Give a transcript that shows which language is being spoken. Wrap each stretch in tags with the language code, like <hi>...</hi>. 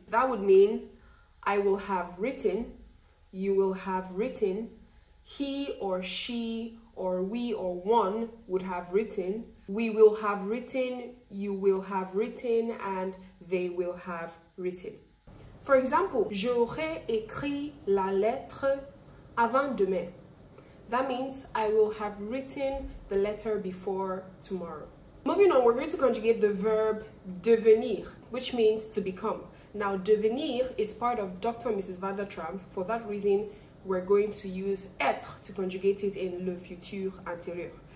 <en>That would mean I will have written, you will have written, he or she or we or one would have written, we will have written, you will have written, and they will have written. For example,</en> <fr>j'aurai écrit la lettre avant demain.</fr> <en>That means I will have written the letter before tomorrow. Moving on, we're going to conjugate the verb devenir, which means to become. Now, devenir is part of Dr. and Mrs. Van der Tramp. For that reason, we're going to use être to conjugate it in le futur antérieur.</en>